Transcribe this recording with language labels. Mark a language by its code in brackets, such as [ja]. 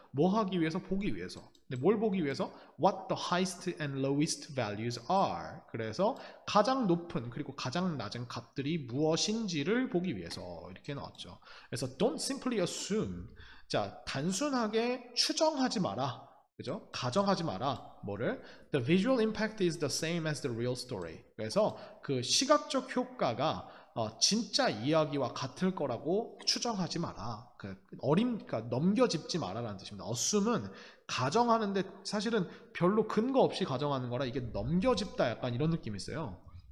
[ko] 뭐 하기 위해서? 보기 위해서. 근데 뭘 보기 위해서? [en] What the highest and lowest values are. [ko] 그래서 가장 높은 그리고 가장 낮은 값들이 무엇인지를 보기 위해서 이렇게 나왔죠. 그래서 [en] don't simply assume. [ko] 자, 단순하게 추정하지 마라. 그죠? 가정하지 마라. 뭐를? [en] The visual impact is the same as the real story. [ko] 그래서 그 시각적 효과가 진짜 이야기와 같을 거라고 추정하지 마라. 그러니까 넘겨짚지 마라라는 뜻입니다. assume은 가정하는데 사실은 별로 근거 없이 가정하는 거라 이게 넘겨짚다, 약간 이런 느낌이 있어요.